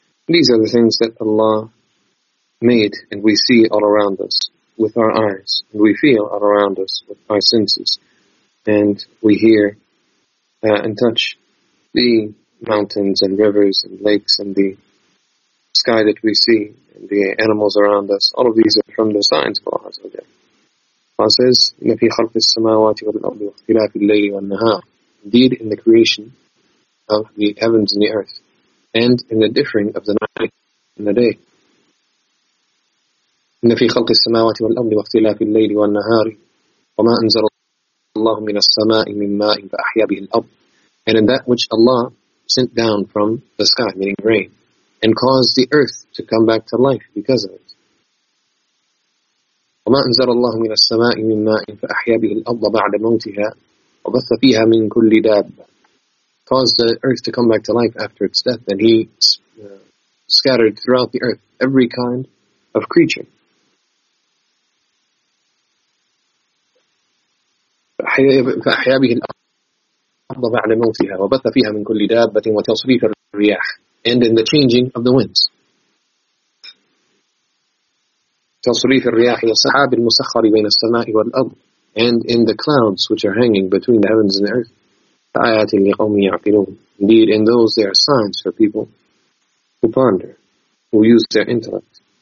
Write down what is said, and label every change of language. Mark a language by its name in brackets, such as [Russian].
[English] These are the things that Allah made, and we see all around us with our eyes, and we feel all around us with our senses, and we hear and touch the mountains and rivers and lakes and the sky that we see, and the animals around us. All of these are from the signs of Allah. Allah says, [Arabic] إِنَّ فِي خَلْقِ السَّمَاوَاتِ وَالْأَرْضِ وَاخْتِلَافِ اللَّيْلِ وَالنَّهَارِ. [English] Indeed, in the creation of the heavens and the earth, and in the differing of the night and the day. [Arabic] إن في خلق السماوات والأرض واختلاف الليل والنهار وما أنزل الله من السماء من ماء فأحيا به الأرض. [English] And in that which Allah sent down from the sky, meaning rain, and caused the earth to come back to life because of it. [Arabic] وما أنزل الله من السماء من ماء فأحيا به الأرض بعد موتها وبث فيها من كل دابة. [English] Caused the earth to come back to life after its death, and he scattered throughout the earth every kind of creature. [Arabic] فأحيا به الأرض بعد موتها وبث فيها من كل دابة وتصريف الرياح [English] and in the changing of the winds. [Arabic] تصريف الرياح والسحاب المسخر بين السماء والأرض [English] and in the clouds which are hanging between the heavens and the earth. [Arabic] آيات لقوم يعقلون. [English] Indeed, in those there are signs for people who ponder, who use their intellect.